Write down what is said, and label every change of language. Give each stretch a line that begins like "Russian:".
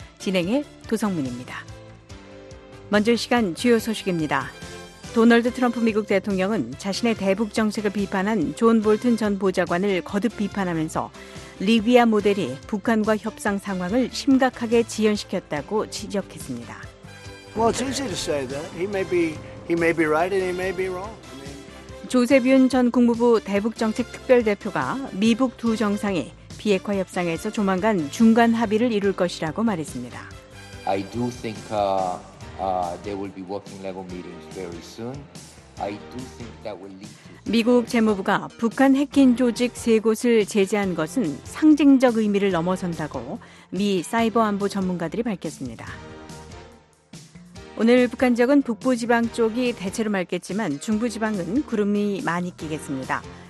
Korean: 진행의 도성문입니다. 먼저 시간 주요 소식입니다. 도널드 트럼프 미국 대통령은 자신의 대북 정책을 비판한 존 볼튼 전 보좌관을 거듭 비판하면서 리비아 모델이 북한과 협상 상황을 심각하게 지연시켰다고 지적했습니다.
English: Well, it's easy to say that. He may be right and he may be wrong.
Korean: 조셉 윤 전 국무부 대북정책특별대표가 미북 두 정상이 비핵화 협상에서 조만간 중간 합의를 이룰 것이라고 말했습니다.
English: I do think there will be working level meetings very soon. I do think that will lead to.
Korean: 미국 재무부가 북한 해킹 조직 세 곳을 제재한 것은 상징적 의미를 넘어선다고 미 사이버 안보 전문가들이 밝혔습니다. 오늘 북한 지역은 북부지방 쪽이 대체로 맑겠지만 중부지방은 구름이 많이 끼겠습니다.